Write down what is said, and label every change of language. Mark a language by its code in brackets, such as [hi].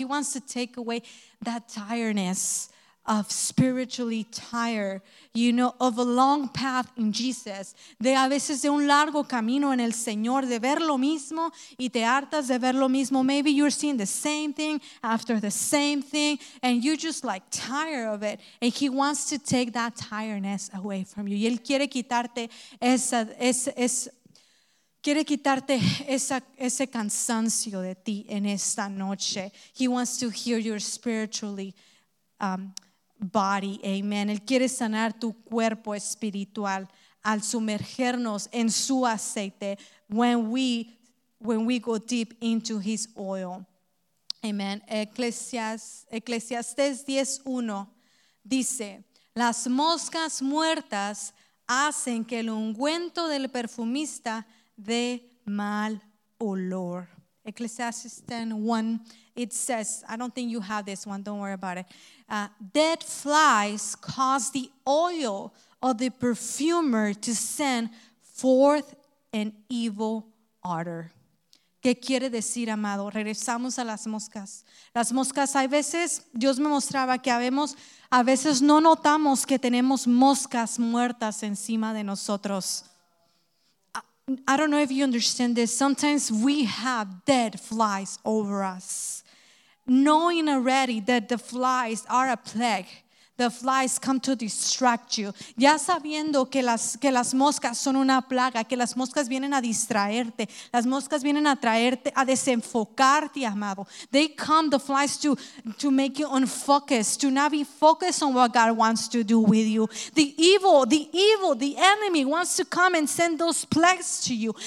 [en] He wants to take away that tiredness of spiritually tired, you know, of a long path in Jesus. [es] De a veces de un largo camino en el Señor, de ver lo mismo y te hartas de ver lo mismo. [en] Maybe you're seeing the same thing after the same thing, and you're just like tired of it. And He wants to take that tiredness away from you. [es] Y Él quiere quitarte ese cansancio de ti en esta noche. [en] He wants to heal your spiritually body, amen. [es] Él quiere sanar tu cuerpo espiritual al sumergernos en su aceite [en] when we go deep into his oil. [es] Amen. Eclesiastes 10:1 dice, las moscas muertas hacen que el ungüento del perfumista dé mal olor. [en] Eclesiastes 10:1, it says, I don't think you have this one, don't worry about it. Dead flies cause the oil of the perfumer to send forth an evil odor. [es] ¿Qué quiere decir, amado? Regresamos a las moscas. Las moscas, hay veces, Dios me mostraba que habemos, a veces no notamos que tenemos moscas muertas encima de nosotros. [en] I don't know if you understand this. Sometimes we have dead flies over us. Knowing already that the flies are a plague, the flies come to distract you. [es] Ya sabiendo que las moscas son una plaga, que las moscas vienen a distraerte, las moscas vienen a traerte, a desenfocarte, amado. [en] They come, the flies, to make you unfocused, to not be focused on what God wants to do with you. The evil, the enemy wants to come and send those plagues to you.